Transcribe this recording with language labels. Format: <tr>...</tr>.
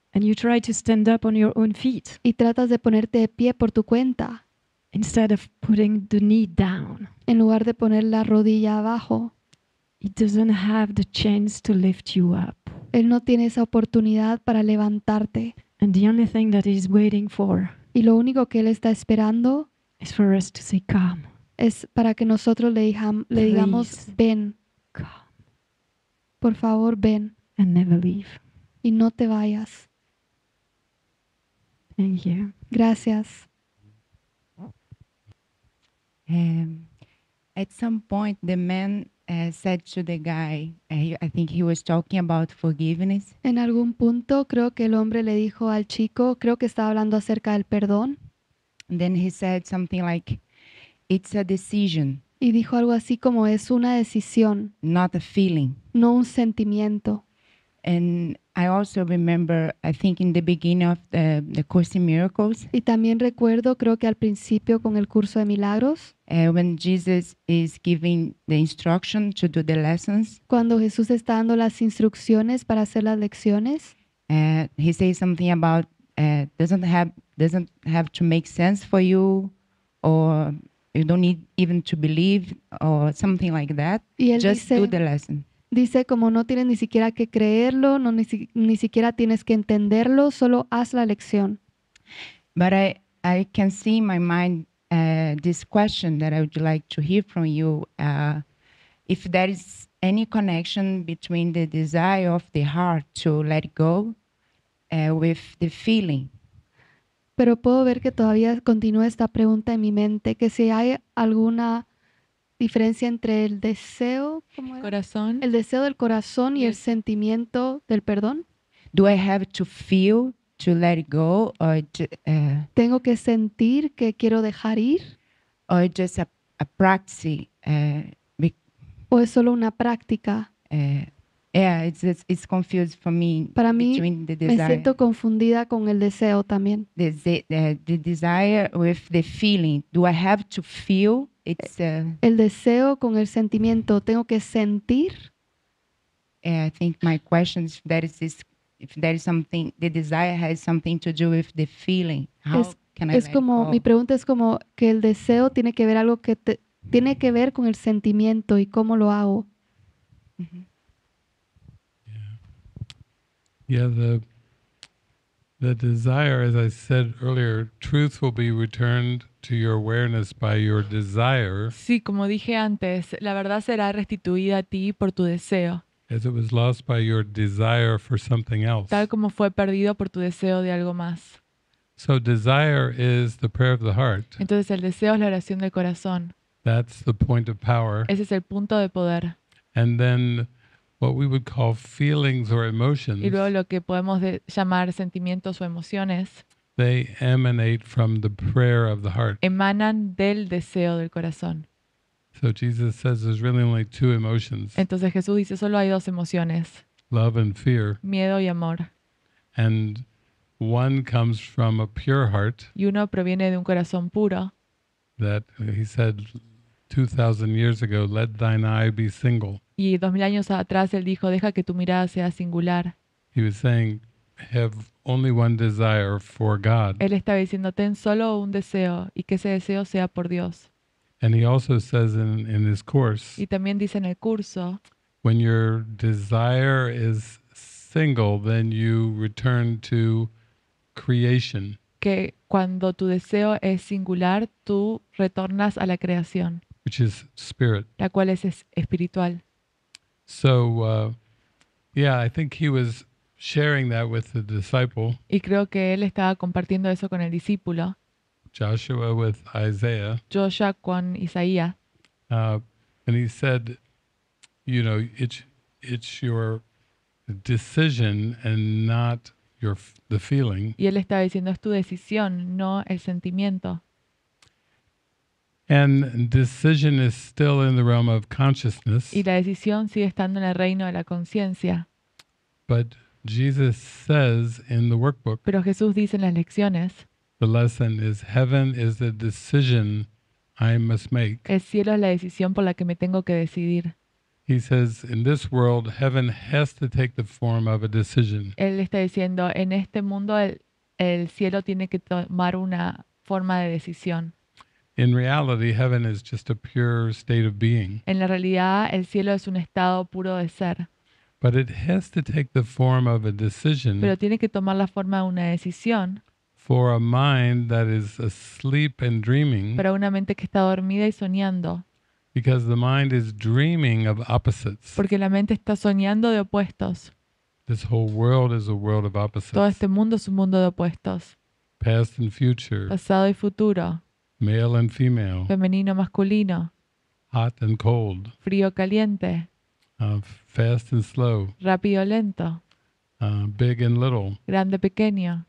<en>and you try to stand up on your own feet,</en> <es>y tratas de ponerte de pie por tu cuenta,</es> <en>instead of putting the knee down,</en> <es>en lugar de poner la rodilla abajo,</es> <en>it doesn't have the chance to lift you up.</en> <es>Él no tiene esa oportunidad para levantarte.</es> <en>And the only thing that he's waiting for,</en> <es>y lo único que él está esperando,</es> <en>is for us to say, come.</en> <es>Es para que nosotros le digamos, ven, por favor, ven.</es> <en>And never leave.</en> <es>Y no te vayas.</es> <en>Thank you.</en> <es>Gracias.</es> <en>At some point, the man said to the guy, I think he was talking about forgiveness.</en> <es>En algún punto, creo que el hombre le dijo al chico, creo que estaba hablando acerca del perdón.</es> <en>Then he said something like, it's a decision.</en> <es>Y dijo algo así como es una decisión.</es> <en>Not a feeling.</en> <es>No un sentimiento.</es> <en>And I also remember, I think in the beginning of the Course in Miracles.</en> <es>Y también recuerdo, creo que al principio con el curso de milagros.</es> <en>When Jesus is giving the instruction to do the lessons.</en> <es>Cuando Jesús está dando las instrucciones para hacer las lecciones.</es> <en>He says something about doesn't have to make sense for you, or you don't need even to believe or something like that. Just do the lesson.</en> <es>Dice como no tienes ni siquiera que creerlo, no ni siquiera tienes que entenderlo, solo haz la lección.</es> <en>But I can see in my mind this question that I would like to hear from you. If there is any connection between the desire of the heart to let go with the feeling.</en> <es>Pero puedo ver que todavía continúa esta pregunta en mi mente, que si hay alguna diferencia entre el deseo, ¿cómo era? Corazón. El deseo del corazón y el sentimiento del perdón.</es> <en>Do I have to feel to let it go, or</en> <es>tengo que sentir que quiero dejar ir?</es> <en>Or just a practice,</en> <es>o es solo una práctica.</es> <en>It's confused for me.</en> <es>Para mí,</es> <en>between the desire.</en> <es>Me siento confundida con el deseo también.</es> <en>The desire with the feeling. Do I have to feel? It's</en> <es>el deseo con el sentimiento. Tengo que sentir.</es> <en>I think my question is if there is something, the desire has something to do with the feeling. How</en> <es>es,</es> <en>can</en> <es>es</es> <en>I?</en> <es>Como,</es> <en>let go?</en> <es>Mi pregunta es como que el deseo tiene que ver algo que tiene que ver con el sentimiento y cómo lo hago. Mm-hmm.</es> <en>Yeah, the desire, as I said earlier, truth will be returned to your awareness by your desire.</en> <es>Sí, como dije antes, la verdad será restituida a ti por tu deseo.</es> <en>As it was lost by your desire for something else.</en> <es>Tal como fue perdido por tu deseo de algo más.</es> <en>So desire is the prayer of the heart.</en> <es>Entonces el deseo es la oración del corazón.</es> <en>That's the point of power.</en> <es>Ese es el punto de poder.</es> <en>And then what we would call feelings or emotions.</en> <es>Y luego lo que podemos llamar sentimientos o emociones.</es> <en>They emanate from the prayer of the heart.</en> <es>Emanan del deseo del corazón.</es> <en>So Jesus says there's really only two emotions.</en> <es>Entonces Jesús dice solo hay dos emociones.</es> <en>Love and fear.</en> <es>Miedo y amor.</es> <en>And one comes from a pure heart.</en> <es>Y uno proviene de un corazón puro.</es> <en>That he said 2,000 years ago, let thine eye be single.</en> <es>Y 2,000 años atrás él dijo, deja que tu mirada sea singular.</es> <en>He was saying, have only one desire for God.</en> <es>Él estaba diciendo, ten solo un deseo y que ese deseo sea por Dios.</es> <en>And he also says in his course,</en> <es>y también dice en el curso,</es> <en>when your desire is single, then you return to creation.</en> <es>Que cuando tu deseo es singular, tú retornas a la creación.</es> <en>Which is spirit.</en> <es>La cual es espiritual.</es> <en>So, I think he was sharing that with the disciple.</en> <es>Y creo que él estaba compartiendo eso con el discípulo.</es> <en>Joshua with Isaiah.</en> <es>Joshua con Isaías.</es> <en>And he said, you know, it's your decision and not the feeling.</en> <es>Y él estaba diciendo, es tu decisión, no el sentimiento.</es> <en>And decision is still in the realm of consciousness.</en> <es>Y la decisión sigue estando en el reino de la conciencia.</es> <en>But Jesus says in the workbook,</en> <es>pero Jesús dice en las lecciones,</es> <en>the lesson is heaven is the decision I must make.</en> <es>El cielo es la decisión por la que me tengo que decidir.</es> <en>He says, in this world, heaven has to take the form of a decision.</en> <es>Él está diciendo, en este mundo, el cielo tiene que tomar una forma de decisión.</es> <en>In reality, heaven is just a pure state of being.</en> <es>En la realidad, el cielo es un estado puro de ser.</es> <en>But it has to take the form of a decision.</en> <es>Pero tiene que tomar la forma de una decisión.</es> <en>For a mind that is asleep and dreaming.</en> <es>Para una mente que está dormida y soñando.</es> <en>Because the mind is dreaming of opposites.</en> <es>Porque la mente está soñando de opuestos.</es> <en>This whole world is a world of opposites.</en> <es>Todo este mundo es un mundo de opuestos.</es> <en>Past and future.</en> <es>Pasado y futuro.</es> <en>Male and female.</en> <es>Femenino, masculino.</es> <en>Hot and cold.</en> <es>Frío, caliente.</es> <en>Fast and slow.</en> <es>Rápido, lento.</es> <en>Big and little.</en> <es>Grande, pequeño.</es>